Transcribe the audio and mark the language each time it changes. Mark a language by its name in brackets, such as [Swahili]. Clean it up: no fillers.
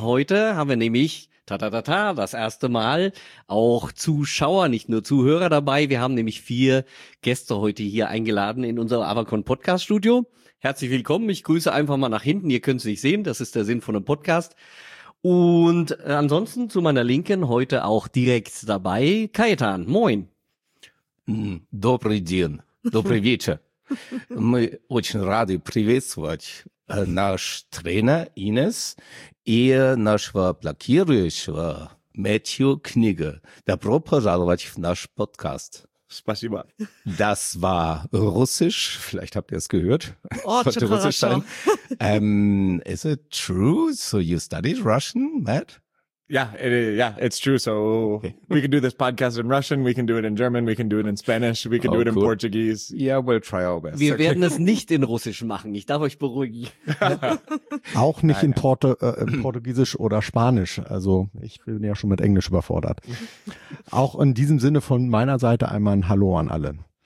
[German] Heute haben wir nämlich, das erste Mal auch Zuschauer, nicht nur Zuhörer dabei. Wir haben nämlich 4 Gäste heute hier eingeladen in unser Avacon Podcast Studio. Herzlich willkommen. Ich grüße einfach mal nach hinten. Ihr könnt es nicht sehen. Das ist der Sinn von einem Podcast. Und ansonsten zu meiner Linken heute auch direkt dabei, Kajetan. Moin. [Russian] Добрый день, добрый вечер. Мы очень рады приветствовать наш тренер Инес и нашего блокирующего Мэтью Книга. Добро пожаловать в наш подкаст. Спасибо. [German] Das war Russisch, vielleicht habt ihr es gehört. Russisch sein. [English] Is it true? So you studied Russian, Matt? Yeah, it's true. So we can do this podcast in Russian, we can do it in German, we can do it in Spanish, we can do it in Portuguese. Yeah, we'll try our best. [German] Wir werden es nicht in Russisch machen, ich darf euch beruhigen. Auch nicht in Portugiesisch oder Spanisch. Also ich bin ja schon mit Englisch überfordert. Auch in diesem Sinne von meiner Seite einmal ein Hallo an alle.